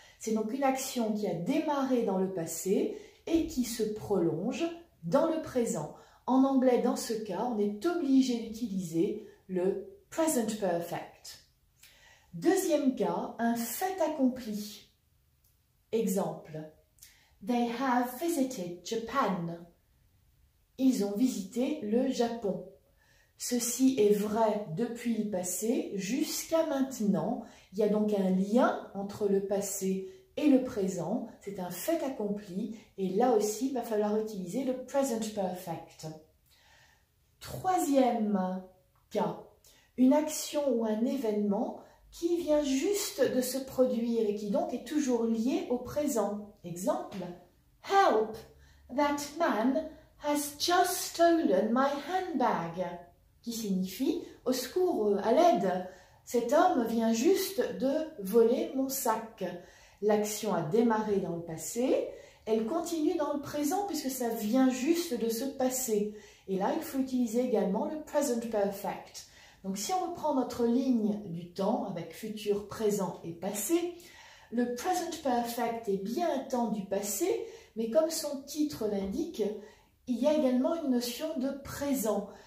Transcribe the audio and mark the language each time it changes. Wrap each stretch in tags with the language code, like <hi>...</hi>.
<fr>C'est donc une action qui a démarré dans le passé et qui se prolonge dans le présent. En anglais, dans ce cas, on est obligé d'utiliser le present perfect. Deuxième cas, un fait accompli. Exemple.</fr> <en>They have visited Japan.</en> <fr>Ils ont visité le Japon. Ceci est vrai depuis le passé jusqu'à maintenant. Il y a donc un lien entre le passé et le présent, c'est un fait accompli, et là aussi, il va falloir utiliser le present perfect. Troisième cas, une action ou un événement qui vient juste de se produire et qui donc est toujours lié au présent. Exemple,</fr> <en>Help! That man has just stolen my handbag.</en> <fr>Qui signifie, au secours, à l'aide, cet homme vient juste de voler mon sac. L'action a démarré dans le passé, elle continue dans le présent puisque ça vient juste de se passer. Et là, il faut utiliser également le present perfect. Donc si on reprend notre ligne du temps avec futur, présent et passé, le present perfect est bien un temps du passé, mais comme son titre l'indique, il y a également une notion de présent.</fr>